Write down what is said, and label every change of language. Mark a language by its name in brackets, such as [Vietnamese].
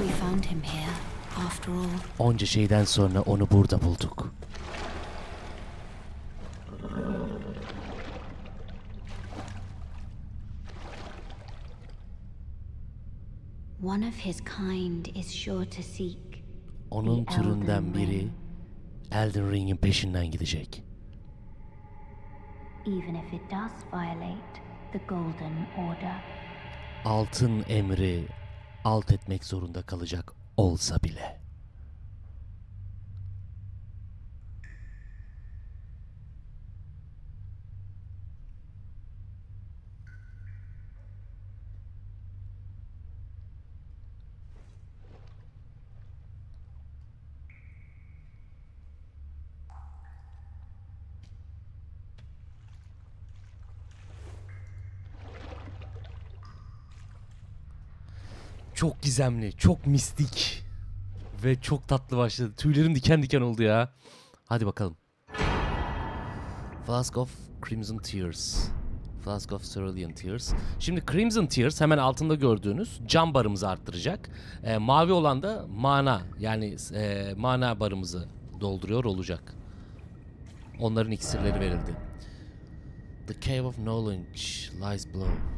[English] We found him here, after all. [Turkish] Onca şeyden sonra onu burada bulduk. [English] One of his kind is sure to seek. [Turkish] Onun türünden biri Elden Ring'in peşinden gidecek. Even if it does violate the Golden Order. Altın emri alt etmek zorunda kalacak olsa bile. Çok gizemli, çok mistik ve çok tatlı başladı. Tüylerim diken diken oldu ya. Hadi bakalım. Flask of Crimson Tears. [English] Flask of Cerulean Tears. [Turkish] Şimdi Crimson Tears hemen altında gördüğünüz can barımızı arttıracak. Mavi olan da mana, yani mana barımızı dolduruyor olacak. Onların iksirleri verildi. [English] The Cave of Knowledge lies below.